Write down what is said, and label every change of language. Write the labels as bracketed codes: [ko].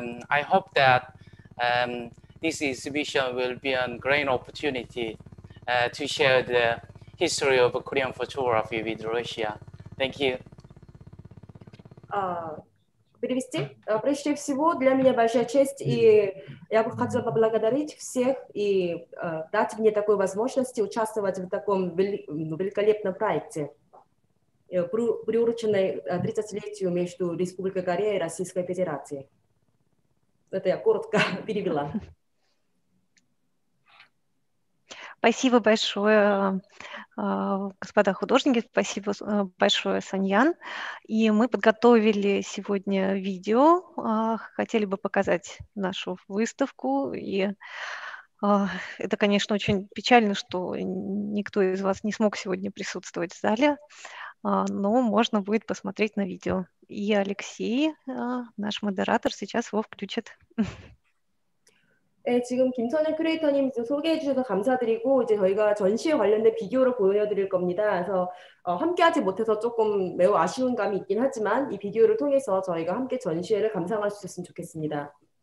[en] I hope that this exhibition will be a great opportunity to share the history of Korean photography with Russia. Thank you. [ru] Перевести. Прежде всего, для меня большая честь, и я бы хотела поблагодарить всех и дать мне такую возможность участвовать в таком великолепном проекте, приуроченной 30-летию между Республикой Корея и Российской Федерацией. Это я коротко перевела. Спасибо большое, господа художники, спасибо большое, Саньян. И мы подготовили сегодня видео, хотели бы показать нашу выставку. И это, конечно, очень печально, что никто из вас не смог сегодня присутствовать в зале, но можно будет посмотреть на видео. И Алексей, наш модератор, сейчас его включит. [ko] 네, 지금 김선혜 크리에이터님 소개해 주셔서 감사드리고 이제 저희가 전시에 관련된 비디오를 보여드릴 겁니다. 그래서 함께하지 못해서 조금 매우 아쉬운 감이 있긴 하지만 이 비디오를 통해서 저희가 함께 전시회를 감상할 수 있었으면 좋겠습니다.